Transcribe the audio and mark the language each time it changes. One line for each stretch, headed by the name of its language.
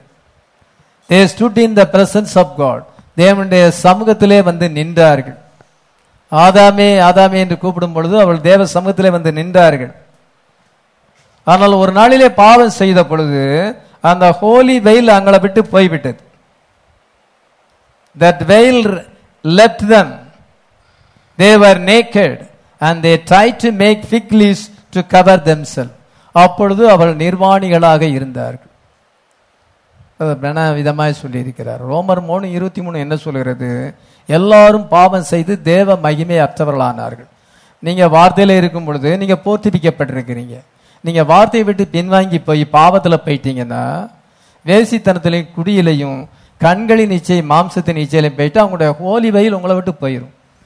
English: they stood in the presence of God,
Tamil: தேவனுடைய சமூகத்திலே வந்து நின்றார்கள். ஆதாமே ஆதாமே என்று கூப்பிடும் பொழுது அவள் தேவ சமூகத்திலே வந்து நின்றார்கள். ஆனால் ஒரு நாளிலே பாவம் செய்த பொழுது அந்த ஹோலி வெயில் அங்களை விட்டு போய்விட்டது.
English: That veil left them. They were naked and they tried to make fig leaves to cover themselves.
Tamil: அப்பொழுது அவர்கள் நிர்வாணிகளாக இருந்தார்கள். பிரணா விதமாய் சொல்லி இருக்கிறார். ரோமர் 3:23 என்ன சொல்கிறது? எல்லாரும் பாவம் செய்து தேவ மகிமை அற்றவர்களானார்கள். நீங்க வார்த்தையில இருக்கும் பொழுது நீங்க போர்த்திப்பிக்கப்பட்டிருக்கிறீங்க. நீங்க வார்த்தையை விட்டு பின்வாங்கி போய் பாவத்துல போயிட்டீங்கன்னா வேசித்தனத்திலையும் குடியிலையும் கண்களின் இச்சை மாம்சத்தின் இச்சையிலையும் போயிட்டு அவங்களுடைய ஹோலி வயில் உங்களை விட்டு போயிடும்.